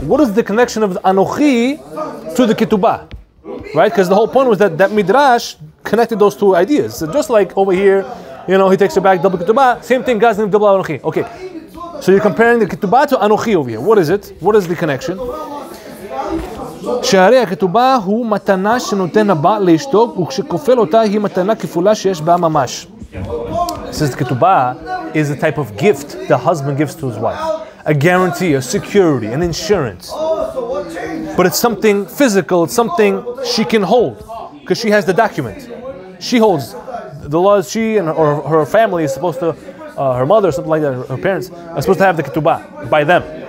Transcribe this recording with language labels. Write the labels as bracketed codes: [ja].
[en] What is the connection of anochi to the ketubah? Right? Because the whole point was that Midrash connected those two ideas. So just like over here, you know, he takes her back, double ketubah. Same thing, God's name, double anochi. Okay. So you're comparing the ketubah to anochi over here. What is it? What is the connection? [he] שהרי הכתובה הוא מתנה שנותן הבא לאשתו וכשכופל אותה היא מתנה כפולה שיש בה ממש. [en] It says the ketubah is a type of gift the husband gives to his wife. A guarantee, a security, an insurance. But it's something physical, it's something she can hold because she has the document. She holds the laws, she and her family is supposed to, her mother or something like that, her parents are supposed to have the ketubah by them.